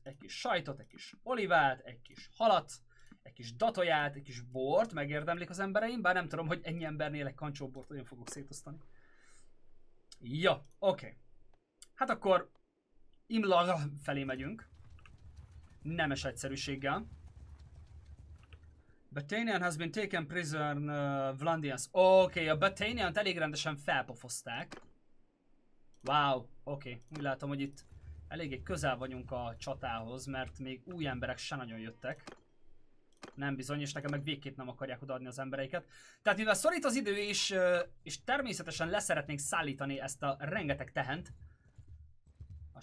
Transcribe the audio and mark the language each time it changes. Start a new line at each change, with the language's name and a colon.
Hungarian: Egy kis sajtot, egy kis olivát, egy kis halat. Egy kis datoját, egy kis bort, megérdemlik az embereim, bár nem tudom, hogy ennyi embernél egy kancsó bort olyan fogok szétosztani. Ja, oké. Okay. Hát akkor Imla felé megyünk. Nemes egyszerűséggel.
English: Batanian has been taken prisoner Vlandians.
Hungarian: Oké, okay, a Batanian-t elég rendesen felpofozták. Wow, oké. Okay. Úgy látom, hogy itt eléggé közel vagyunk a csatához, mert még új emberek se nagyon jöttek. Nem bizony, és nekem meg végképp nem akarják odaadni az embereiket. Tehát mivel szorít az idő is, és természetesen leszeretnénk szállítani ezt a rengeteg tehent. A